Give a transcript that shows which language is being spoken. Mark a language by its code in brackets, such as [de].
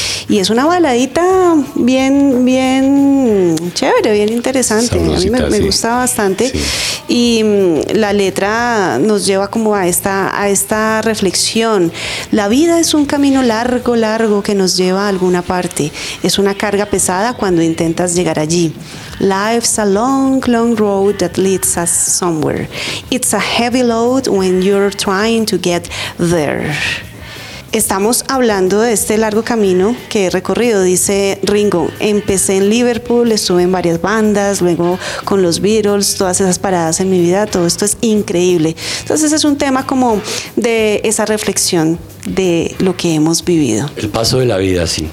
[es] Y es una baladita bien, bien chévere, bien interesante. Sabrosita, a mí me sí. gusta bastante. Sí. Y la letra nos lleva como a esta reflexión. La vida es un camino largo, largo que nos lleva a alguna parte. Es una carga pesada cuando intentas llegar allí. [en] Life's a long, long road that leads us somewhere. It's a heavy load when you're trying to get there. [es] Estamos hablando de este largo camino que he recorrido, dice Ringo. Empecé en Liverpool, estuve en varias bandas, luego con los Beatles, todas esas paradas en mi vida, todo esto es increíble. Entonces es un tema como de esa reflexión de lo que hemos vivido. El paso de la vida, sí.